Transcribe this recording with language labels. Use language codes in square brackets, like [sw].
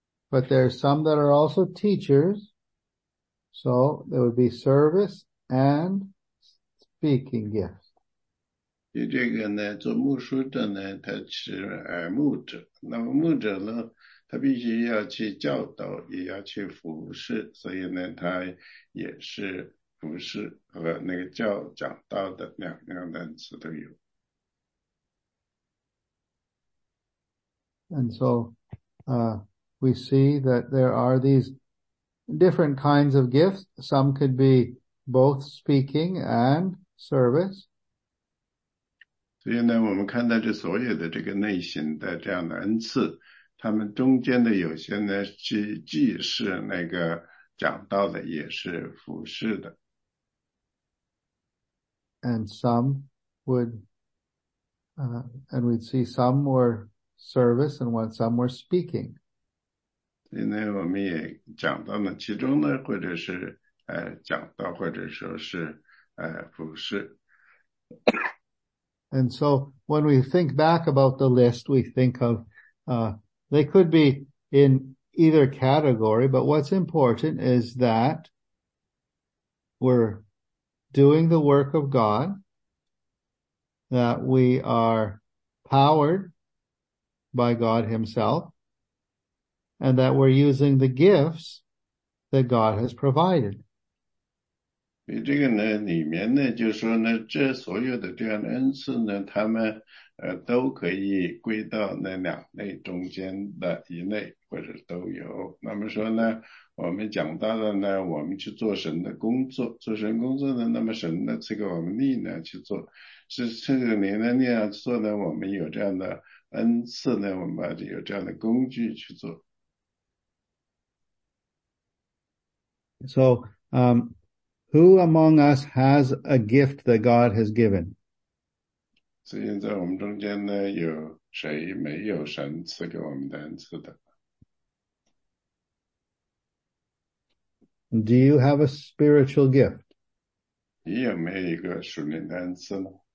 [en] But there are some that are also teachers. So there would be service and speaking gifts. [zh] 这个呢，做牧师的呢，他是牧者。那么牧者呢，他必须要去教导，也要去服侍。所以呢，他也是服侍和那个教讲道的两个单词都有。 [en] And so, we see that there are these different kinds of gifts. Some could be both speaking and service. [zh] 所以呢，我们看到这所有的这个类型的这样的恩赐，他们中间的有些呢，是既是那个讲道的，也是服侍的。 [en] And some would, and we'd see some were service and when some were speaking. [zh] 所以呢，我们也讲到呢，其中呢，或者是讲到，或者说是服侍。 [en] And so when we think back about the list, we think of they could be in either category, but what's important is that we're doing the work of God, that we are powered by God himself, and that we're using the gifts that God has provided. [zh] 这个呢，里面呢，就是说呢，这所有的这样的恩赐呢，他们都可以归到那两类中间的一类，或者都有。那么说呢，我们讲到了呢，我们去做神的工作，做神工作呢，那么神呢，赐给我们力量去做，是赐给我们力量做呢，我们有这样的恩赐呢，我们就有这样的工具去做。 [en] So, who among us has a gift that God has given? [zh] 所以在我们中间呢，有谁没有神赐给我们的恩赐的？ [en] Do you have a spiritual gift? [zh] 你有没有一个属灵的恩赐呢？